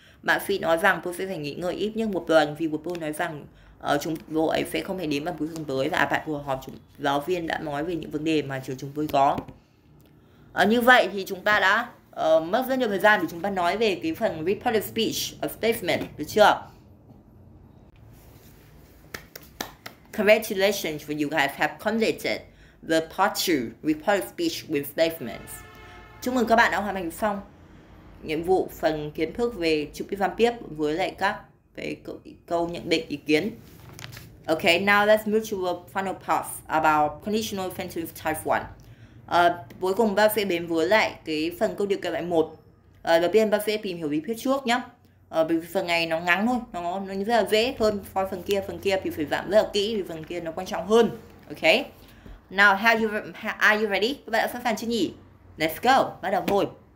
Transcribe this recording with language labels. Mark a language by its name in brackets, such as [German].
[Vietnamese] Bạn Phi nói rằng tôi sẽ phải nghỉ ngơi ít nhất một tuần vì tôi nói rằng chúng tôi ấy sẽ không thể đến vào cuối tuần tới. Và bạn cuộc họp chúng giáo viên đã nói về những vấn đề mà trường chúng tôi có. Như vậy thì chúng ta đã mất rất nhiều thời gian để chúng ta nói về cái phần [English] report of speech, a statement, [Vietnamese] được chưa? [English] Congratulations, you guys have completed the part 2, report of speech with statements. [Vietnamese] Chúc mừng các bạn đã hoàn thành xong nhiệm vụ phần kiến thức về chụp bị phạm tiếp với lại các về câu nhận định ý kiến. [English] Okay, now let's move to the final part about conditional sentence type 1. [Vietnamese] Cuối cùng ba sẽ đến với lại cái phần câu điều kiện loại 1. Đầu tiên ba sẽ tìm hiểu lý thuyết trước nhé. Bởi vì phần này nó ngắn thôi, nó rất là dễ hơn coi phần kia thì phải giảm rất là kỹ vì phần kia nó quan trọng hơn. Okay. [English] Now, are you ready? [Vietnamese] Các bạn đã sẵn sàng chưa nhỉ? [English] Let's go. [Vietnamese] Bắt đầu thôi.